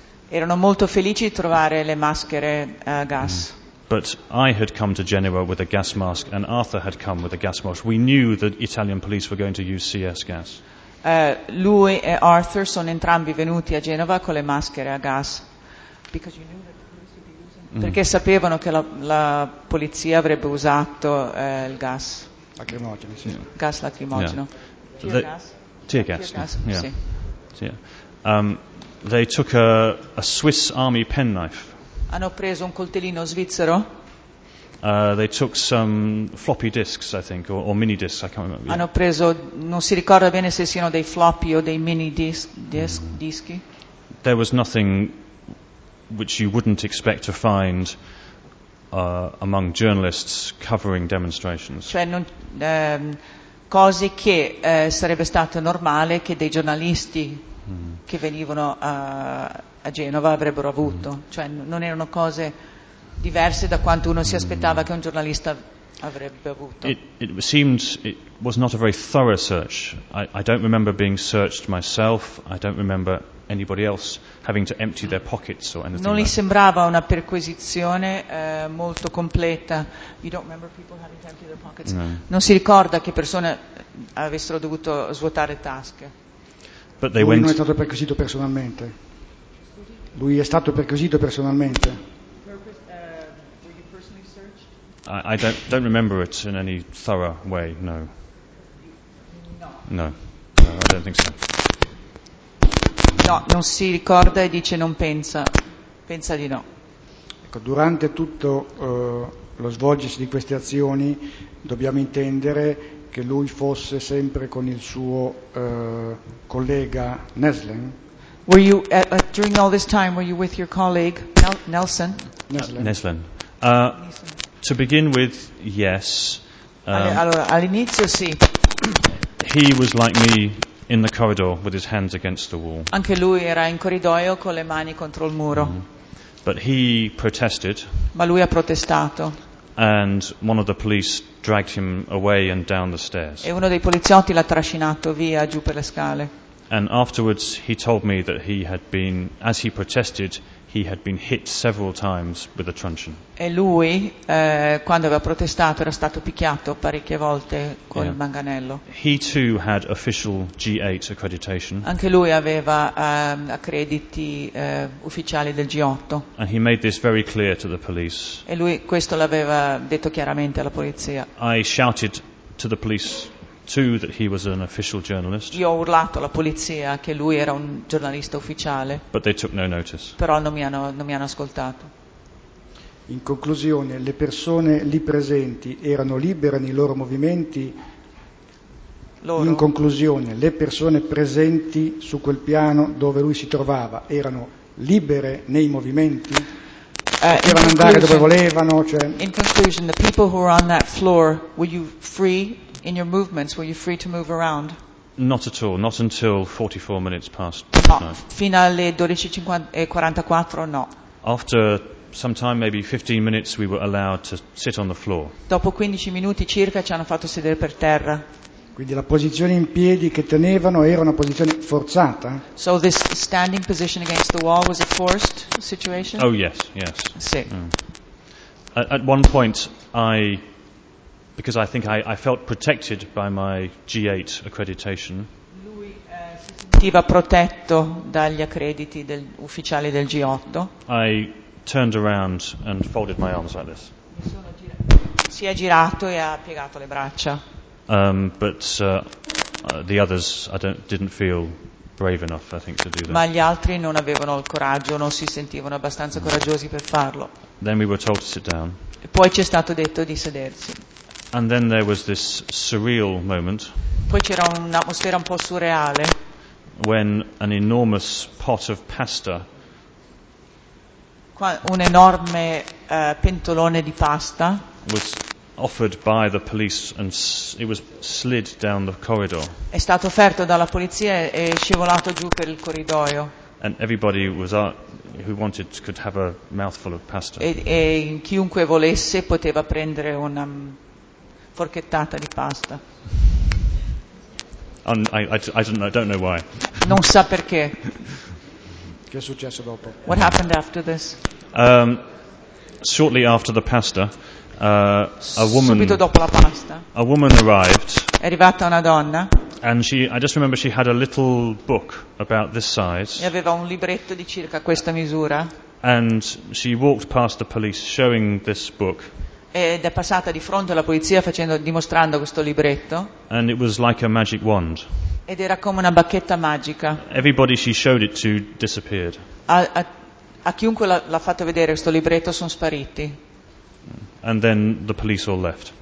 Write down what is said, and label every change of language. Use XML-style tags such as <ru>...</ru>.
<it>Erano molto felici di trovare le maschere a gas.</it> <en>But I had come to Genoa with a gas mask and Arthur had come with a gas mask. We knew that Italian police were going to use CS gas.</en> <it>Lui e Arthur sono entrambi venuti a Genova con le maschere a gas.</it> <en>Because you knew that the police would be using</en> <it>Perché sapevano che la polizia avrebbe usato il gas. Lacrimogeno, sì. Yeah. Gas lacrimogeno.</it> <en>Yeah. Tear gas. Yeah. They took a Swiss Army penknife.</en> <it>Hanno preso un coltellino svizzero.</it> <en>They took some floppy disks, I think, or mini disks. I can't remember.</en> <it>Hanno preso, non si ricorda bene se siano dei floppy o dei mini dischi.</it> <en>There was nothing which you wouldn't expect to find among journalists covering demonstrations.</en> <it>Cioè non cose che sarebbe stato normale che dei giornalisti che venivano a Genova avrebbero avuto, cioè non erano cose diverse da quanto uno si aspettava che un giornalista avrebbe avuto.</it> <en>It seemed it was not a very thorough search. I don't remember being searched myself. I don't remember anybody else having to empty their pockets or anything.</en> <it>Non gli sembrava una perquisizione molto completa.</it> <en>You don't remember people having to empty their pockets. No.</en> <it>Non si ricorda che persone avessero dovuto svuotare tasche.</it> <en>But they</en> <it>lui non è stato perquisito personalmente. Lui è stato perquisito personalmente.</it> <en>I don't remember it in any thorough way, no. No. No, I don't think so.</en> <it>No, non si ricorda e dice non pensa. Pensa di no. Ecco, durante tutto lo svolgersi di queste azioni dobbiamo intendere che lui fosse sempre con il suo collega Neslen.</it> <en>Were you during all this time were you with your colleague Nelson? Neslen. To begin with, yes.</en> <it>Allora, all'inizio sì.</it> <en>He was like me in the corridor with his hands against the wall.</en> <it>Anche lui era in corridoio con le mani contro il muro.</it> <en>But he protested.</en> <it>Ma lui ha protestato.</it> <en>And one of the police dragged him away and down the stairs.</en> <it>E uno dei poliziotti l'ha trascinato via giù per le scale.</it> <en>And afterwards he told me that he had been, as he protested, he had been hit several times with a truncheon.</en> <it>E lui, quando aveva protestato, era stato picchiato parecchie volte con il manganello.</it> <en>He too had official G8 accreditation.</en> <it>Anche lui aveva accrediti ufficiali del G8.</it> <en>And he made this very clear to the police.</en> <it>E lui questo l'aveva detto chiaramente alla polizia.</it> <en>I shouted to the police too that he was an official journalist.</en> <it>Io ho urlato alla polizia che lui era un giornalista ufficiale.</it> <en>But they took no notice.</en> <it>Però non mi hanno ascoltato. In conclusione, le persone lì presenti erano libere nei loro movimenti? Loro. In conclusione, le persone presenti su quel piano dove lui si trovava erano libere nei movimenti? Potevano andare dove volevano? Cioè...</it> <en>In conclusion, the people who were on that floor, were you free in your movements? Were you free to move around? Not at all, not until 44 minutes past.</en> <it>No, fino alle 12:44 no.</it> <en>After sometime, maybe 15 minutes, we were allowed to sit on the floor.</en> <it>Dopo 15 minuti circa ci hanno fatto sedere per terra. Quindi la posizione in piedi che tenevano era una posizione forzata?</it> <en>So this standing position against the wall was a forced situation? Oh yes, yes.</en> <it>Sì. Mm.</it> <en>At one point, because I think I felt protected by my G8 accreditation.</en> <it>Lui si sentiva protetto dagli accrediti del ufficiale del G8.</it> <en>I turned around and folded my arms like this.</en> <it>Si è girato e ha piegato le braccia.</it> <en>The others didn't feel brave enough, I think, to do that.</en> <it>Ma gli altri non avevano il coraggio, non si sentivano abbastanza coraggiosi per farlo.</it> <en>Then we were told to sit down.</en> <it>E poi ci è stato detto di sedersi.</it> <en>And then there was this surreal moment.</en> <it>Poi c'era un'atmosfera un po' surreale.</it> <en>When an enormous pot of pasta.</en> <it>Un enorme pentolone di pasta.</it> <en>Was offered by the police and it was slid down the corridor.</en> <it>È stato offerto dalla polizia e scivolato giù per il corridoio.</it> <en>And everybody was who wanted could have a mouthful of pasta.</en> <it>E chiunque volesse poteva prendere una forchettata di pasta.</it> <en>I don't know why.</en> <it>Non sa perché. Che è successo dopo?</it> <en>What happened after this? Shortly after the pasta,</en> <it>subito dopo la pasta,</it> <en>a woman arrived.</en> <it>È arrivata una donna.</it> <en>And I just remember she had a little book about this size.</en> <it>E aveva un libretto di circa questa misura.</it> <en>And she walked past the police showing this book.</en> <it>Ed è passata di fronte alla polizia dimostrando questo libretto.</it> <en>And it was like a magic wand.</en> <it>Ed era come una bacchetta magica.</it> <en>Everybody she showed it to disappeared.</en> <it>A chiunque l'ha fatto vedere questo libretto sono spariti.</it> <en>And then the police all left.</en>